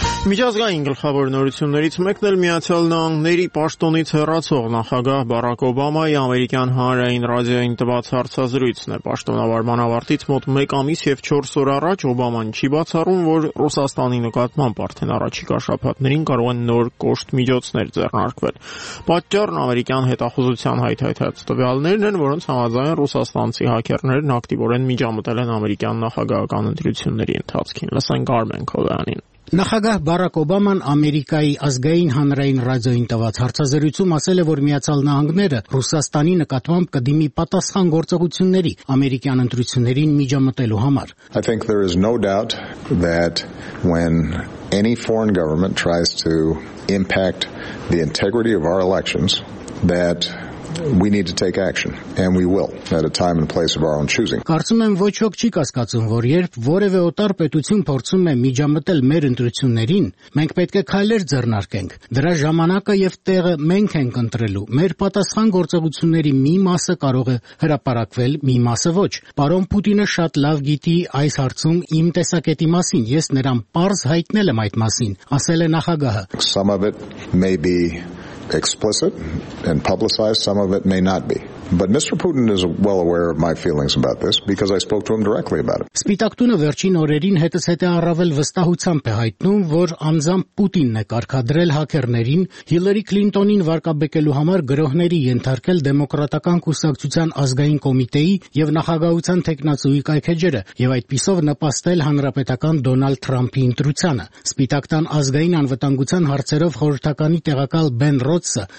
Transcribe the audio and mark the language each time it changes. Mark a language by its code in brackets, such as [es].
[hy] Միջազգային գլխավոր նորություններից մեկն էլ Միացյալ Նահանգների պաշտոնից հեռացող նախագահ Բարակ Օբամայի ամերիկյան հանրային ռադիոյին տված հարցազրույցն է։ Պաշտոնավարման ավարտից մոտ 1 ամիս և 4 օր առաջ Օբաման չի բացառում, որ Ռուսաստանի նկատմամբ արդեն առաջիկա շաբաթներին կարող են նոր կոշտ միջոցներ ձեռնարկվել։ Պատճառն ամերիկյան հետախուզության հայթայթած տվյալներն են, որոնց համաձայն ռուսաստանցի հակերներն ակտիվորեն միջամտել են ամերիկյան նախագահական ընտրությունների ընթացքին։ Լսենք Արմեն Քոլյանին։ Նախագահ Բարակ Օբաման Ամերիկայի ազգային հանրային ռադիոյին տված հարցազրույցում ասել է, որ Միացյալ Նահանգները Ռուսաստանի նկատմամբ կդիմի պատասխան գործողությունների ամերիկյան ընտրություններին միջամտելու համար։ [en] I think there is no doubt that when any foreign government tries to impact the integrity of our elections, that we need to take action, and we will, at a time and place of our own choosing. [hy] Կարծում եմ, ոչ ոք չի կասկածում, որ երբ որևէ օտար պետություն փորձում է միջամտել մեր ընտրություններին, մենք պետք է քայլեր ձեռնարկենք։ Դրա ժամանակը եւ տեղը մենք ենք ընտրելու։ Մեր պատասխան գործողությունների մի մասը կարող է հրապարակվել, մի մասը ոչ։ Պարոն Պուտինը շատ լավ գիտի այս հարցում իմ տեսակետի մասին, ես նրան պարզ հայտնել եմ այդ մասին, ասել է նախագահը։ [en] Some of it may be explicit and publicized, some of it may not be. But Mr. Putin is well aware of my feelings about this because I spoke to him directly about it. [hy] Սպիտակտունը վերջին օրերին հետզհետե առավել վստահությամբ է հայտնում, որ անձամբ Պուտինն է կարգադրել հակերներին Հիլերի Քլինտոնին վարկաբեկելու համար գրոհների ենթարկել դեմոկրատական կուսակցության ազգային կոմիտեի եւ նախագահության տեխնացուի կայքեջերը եւ այդպիսով նպաստել հանրապետական Դոնալդ Թրամփի ընտրությանը։ Սպիտակտան ազգային անվտանգության հարցերով խորհրդականի տեղակալ Բեն Ռոցը